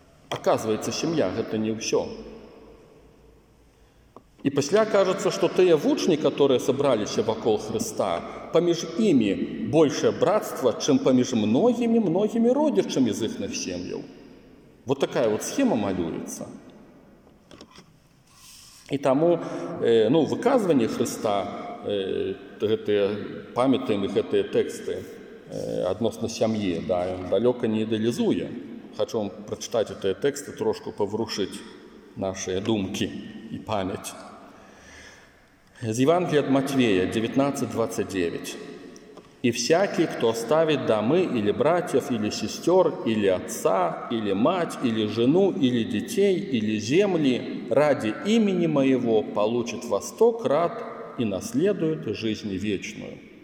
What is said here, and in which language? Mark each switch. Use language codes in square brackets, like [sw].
[be] Аказваецца, сям'я – гэта не ўсё. І пасля кажацца, што тыя вучні, [ru] которые [be] сабраліся вакол Хрыста, паміж імі большае брацтва, чым паміж многімі-многімі родзічамі з іхных сем'яў. Вот такая вот схема малюецца. І таму ну, выказванне Хрыста, гэтыя памятаем і гэтыя тэксты адносна сям'і, да, далёка не ідэалізуе. Хачу вам прачытаць гэтыя тэксты, трошку паврушыць нашыя думкі і памяць. [ru] Из Евангелия от Матвея, 19:29. «И всякий, кто оставит домы или братьев, или сестер, или отца, или мать, или жену, или детей, или земли ради имени Моего, получит во сто крат и наследует жизнь вечную».